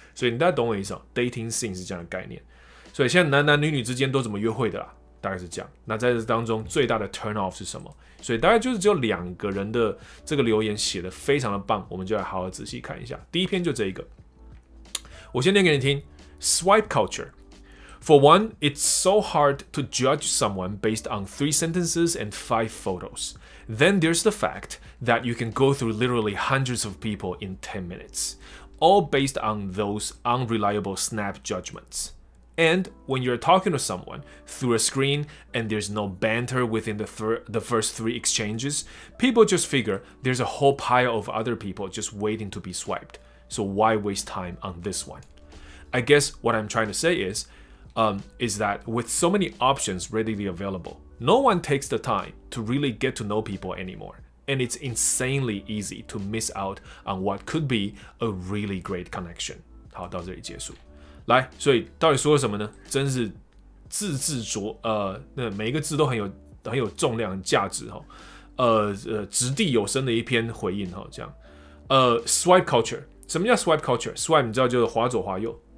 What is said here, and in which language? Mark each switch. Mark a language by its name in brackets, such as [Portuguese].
[Chinese] 所以你大家懂我意思哦， dating scene 是这样的概念。所以现在男男女女之间都怎么约会的啦，大概是这样。那在这当中最大的 turn off 是什么？所以大概就是只有两个人的这个留言写得非常的棒，我们就来好好仔细看一下。第一篇就这一个，我先念给你听。 [English] Swipe cultureFor one, it's so hard to judge someone based on 3 sentences and 5 photos. Then there's the fact that you can go through literally hundreds of people in 10 minutes, all based on those unreliable snap judgments. And when you're talking to someone through a screen and there's no banter within the first three exchanges, people just figure there's a whole pile of other people just waiting to be swiped. So why waste time on this one? I guess what I'm trying to say is that with so many options readily available, no one takes the time to really get to know people anymore, and it's insanely easy to miss out on what could be a really great connection. [Chinese] 好，到这里结束。来，所以到底说了什么呢？真是字字拙，那每一个字都很有重量、价值哈、哦，掷地有声的一篇回应哈、哦，这样。 Swipe culture， 什么叫 swipe culture？ Swipe 你知道就是滑左滑右。